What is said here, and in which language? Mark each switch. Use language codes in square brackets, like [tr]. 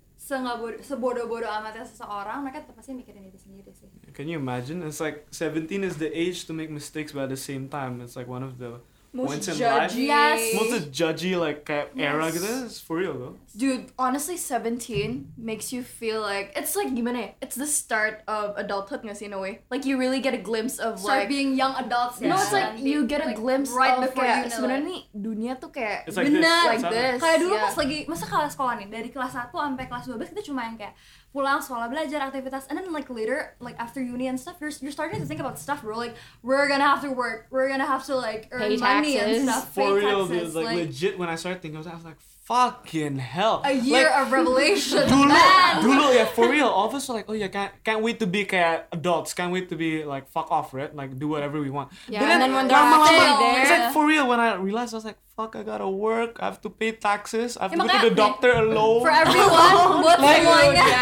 [id] sebodoh-bodoh amatnya seseorang, mereka tetap pasti mikirin itu sendiri sih. [en] Can you imagine? It's like 17 is the age to make mistakes, but at the same time, it's like one of the most judgy. Yes. Most judgy, like, era gitu. It's for real, though. Dude, honestly, 17 makes you feel like... It's like, gimana? It's the start of adulthood, [id] gak sih, [en] in a way? Like, you really get a glimpse of, start being young adults. Yeah. No, it's like, you get a glimpse right of, before kayak, [id] sebenarnya nih, dunia tuh kayak... [en] It's like bener, this. Like this. [id] Kayak dulu pas lagi... Masa kelas sekolah nih, dari kelas 1 sampai kelas 12, kita cuma yang kayak... pulang sekolah belajar aktivitas [en] and then like later like after uni and stuff you're starting to think about stuff bro like we're gonna have to work we're gonna have to like earn pay money taxes. And stuff for pay real taxes. Dude, like legit when I started thinking I was like fucking hell a year like, of revelation dulu yeah for real all of us were like oh yeah can't wait to be kayak adults can't wait to be like fuck off right like do whatever we want yeah but and then when they're actually there it's like for real when I realized I was like fuck, I gotta work, I have to pay taxes, I have to go to the doctor alone. For everyone, [id] buat semuanya.